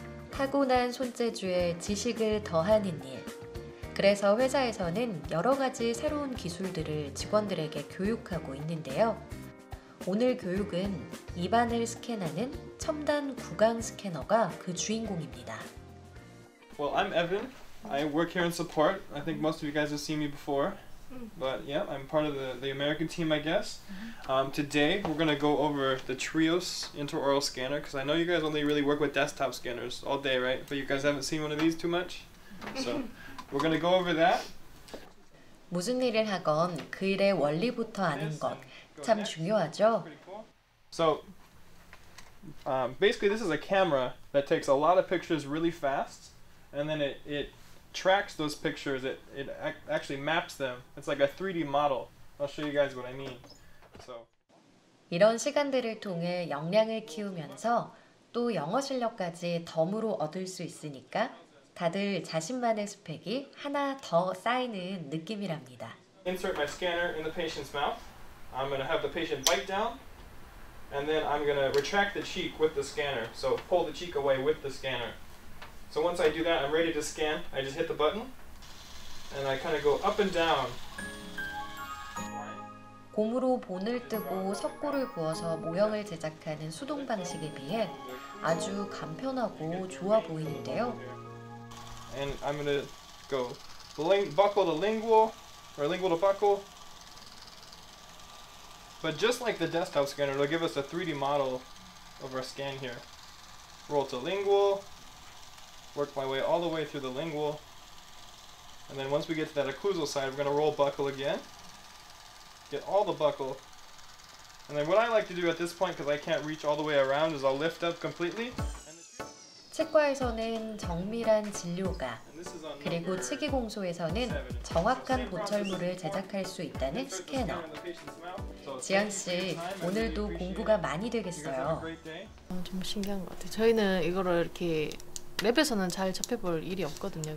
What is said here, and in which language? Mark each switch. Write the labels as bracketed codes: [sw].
[ko] 타고난 손재주에 지식을 더하는 일. 그래서 회사에서는 여러 가지 새로운 기술들을 직원들에게 교육하고 있는데요. 오늘 교육은 입안을 스캔하는 첨단 구강 스캐너가 그 주인공입니다. [en] Well, I'm Evan. I work here in support. I think most of you guys have seen me before. But yeah, I'm part of the American team, I guess. Today, we're going to go over the Trios intraoral scanner because I know you guys only really work with desktop scanners all day, right? But you guys haven't seen one of these too much. So we're going to go over that. [ko] 무슨 일을 하건 그 일의 원리부터 아는 것 참 중요하죠. [en] So basically this is a camera that takes a lot of pictures really fast and then it tracks those pictures, it actually maps them. It's like a 3D model. I'll show you guys what I mean. So [ko] 이런 시간들을 통해 역량을 키우면서 또 영어 실력까지 덤으로 얻을 수 있으니까 다들 자신만의 스펙이 하나 더 쌓이는 느낌이랍니다. [en] Insert my scanner in the patient's mouth. I'm going to have the patient bite down. And then I'm going to retract the cheek with the scanner. So pull the cheek away with the scanner. So once I do that, I'm ready to scan. I just hit the button. And I kind of go up and down. [ko] 고무로 본을 뜨고 석고를 구워서 모형을 제작하는 수동 방식에 비해 아주 간편하고 좋아 보이는데요. [en] And I'm going to go buckle the lingual, or lingual to buckle. But just like the desktop scanner, it'll give us a 3D model of our scan here. Roll to lingual, work my way all the way through the lingual. And then once we get to that occlusal side, we're going to roll buckle again. Get all the buckle. And then what I like to do at this point, because I can't reach all the way around, is I'll lift up completely. [ko] 치과에서는 정밀한 진료가, 그리고 치기공소에서는 정확한 보철물을 제작할 수 있다는 스캐너. 지영 씨, 오늘도 공부가 많이 되겠어요. 정말 신기한 것 같아요. 저희는 이거를 이렇게 랩에서는 잘 접해볼 일이 없거든요.